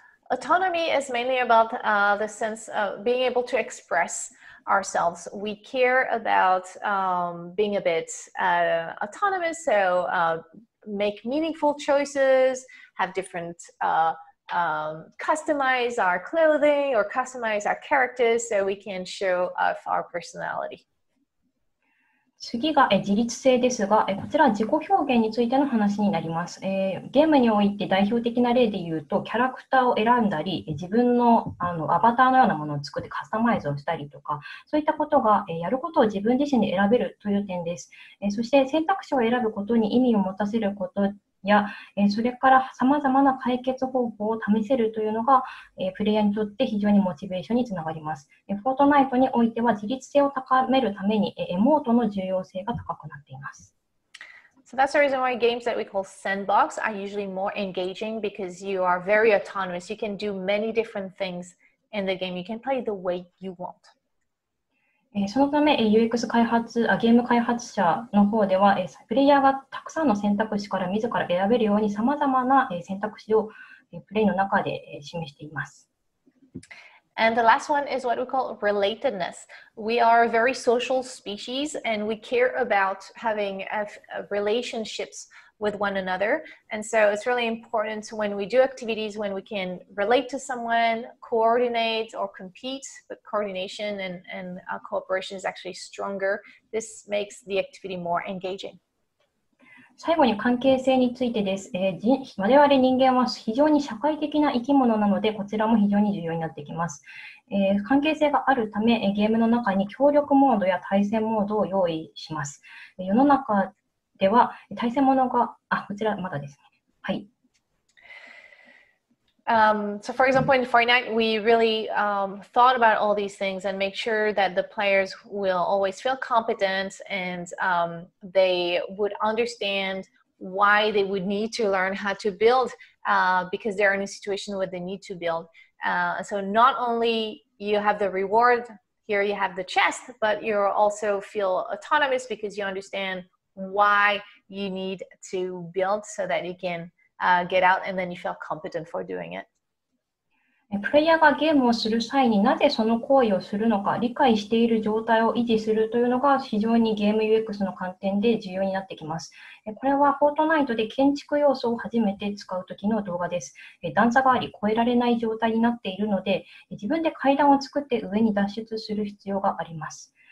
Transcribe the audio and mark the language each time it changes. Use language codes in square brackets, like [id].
[en] Autonomy is mainly about the sense of being able to expressourselves. We care about being a bit autonomous, so make meaningful choices, have different customize our clothing or customize our characters so we can show off our personality. [ja] 次が自立性ですが、こちらは自己表現についての話になります。ゲームにおいて代表的な例で言うと、キャラクターを選んだり、自分の、アバターのようなものを作ってカスタマイズをしたりとか、そういったことが、やることを自分自身で選べるという点です。そして選択肢を選ぶことに意味を持たせることや、それから様々な解決方法を試せるというのが、プレイヤーにとって非常にモチベーションにつながります。フォートナイトにおいては自立性を高めるために、エモートの重要性が高くなっています。 [en] So that's the reason why games that we call sandbox are usually more engaging because you are very autonomous. You can do many different things in the game. You can play the way you want. [ja] そのため、UX 開発、ゲーム開発者の方では、プレイヤーがたくさんの選択肢から自ら選べるように、さまざまな選択肢をプレイの中で示しています。 [en] And the last one is what we call relatedness. We are a very social species and we care about having relationships with one another. And so it's really important when we do activities when we can relate to someone, coordinate or compete, but coordination and cooperation is actually stronger. This makes the activity more engaging. [ja] 最後に関係性についてです。我々人間は非常に社会的な生き物なので、こちらも非常に重要になってきます。関係性があるため、ゲームの中に協力モードや対戦モードを用意します。世の中では対戦モードが、こちらまだですね。はい。 [en] So for example, in Fortnite, we really thought about all these things and make sure that the players will always feel competent and they would understand why they would need to learn how to build because they're in a situation where they need to build. So not only you have the reward, here you have the chest, but you also feel autonomous because you understand why you need to build so that you can... get out and then you feel competent for doing it. [ja] プレイヤーがゲームをする際になぜその行為をするのか理解している状態を維持するというのが非常にゲーム UX の観点で重要になってきます。これはフォートナイトで建築要素を初めて使うときの動画です。段差があり越えられない状態になっているので自分で階段を作って上に脱出する必要があります。